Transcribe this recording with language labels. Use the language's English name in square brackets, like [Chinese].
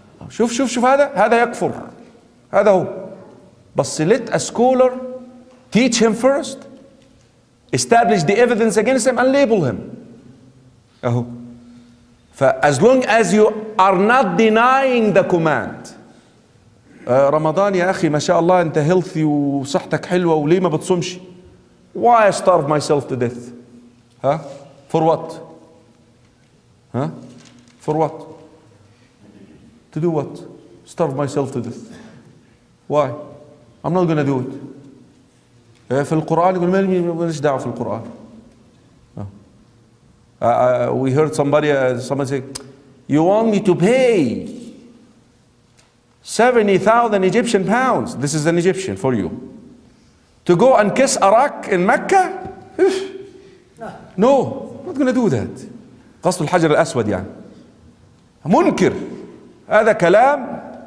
[Arabic] شوف هذا يكفر. هذا هو. بس [English] let a scholar teach him first, establish the evidence against him, and label him. As long as you are not denying the command. [Arabic] Ramadan, يا أخي, ما شاء الله, أنت [English] healthy [Arabic] وصحتك حلوة, وليه ما بتصومش? [English] Why I starve myself to death? For what? For what? To do what? Starve myself to death. Why? I'm not going to do it. [Arabic] في القرآن يقول مالي مالش دعوة في القرآن. [English] We heard somebody say, you want me to pay 70,000 Egyptian pounds, this is an Egyptian for you, to go and kiss Iraq in Mecca? No, I'm not going to do that. [Arabic] قصد الحجر الأسود يعني. منكر. هذا كلام.